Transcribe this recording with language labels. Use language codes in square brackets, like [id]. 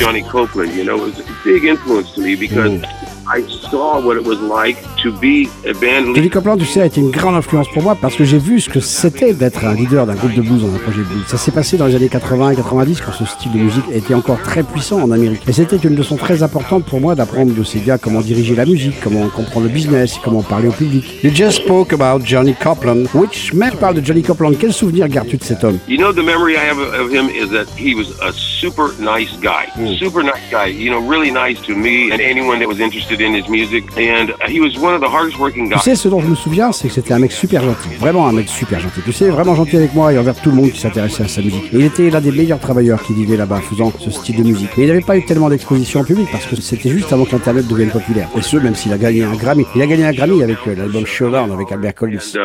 [en] Copeland, you know, it was a big influence to me because I saw what it was like. [fr] Johnny Copeland, tu sais, a été une grande influence pour moi parce que j'ai vu ce que c'était d'être un leader d'un groupe de blues dans un projet de blues. Ça s'est passé dans les années 80 et 90 quand ce style de musique était encore très puissant en Amérique. Et c'était une leçon très importante pour moi d'apprendre de ces gars comment diriger la musique, comment comprendre le business, comment parler au public. [en] You just spoke about Johnny Copeland. [fr] Which man parle de Johnny Copeland? Quel souvenir gardes-tu de cet homme? [en] You know, the memory I have of him is that he was a super nice guy. Super nice guy. You know, really nice to me and anyone that was interested in his music. And he was one. [fr] Tu sais, ce dont je me souviens, c'est que c'était un mec super gentil. Vraiment un mec super gentil. Tu sais, vraiment gentil avec moi et envers tout le monde qui s'intéressait à sa musique. Et il était l'un des meilleurs travailleurs qui vivait là-bas faisant ce style de musique. Mais il n'avait pas eu tellement d'exposition en public parce que c'était juste avant que l'Internet devienne populaire. Et ce, même s'il a gagné un Grammy. Il a gagné un Grammy avec l'album Showdown avec Albert Collins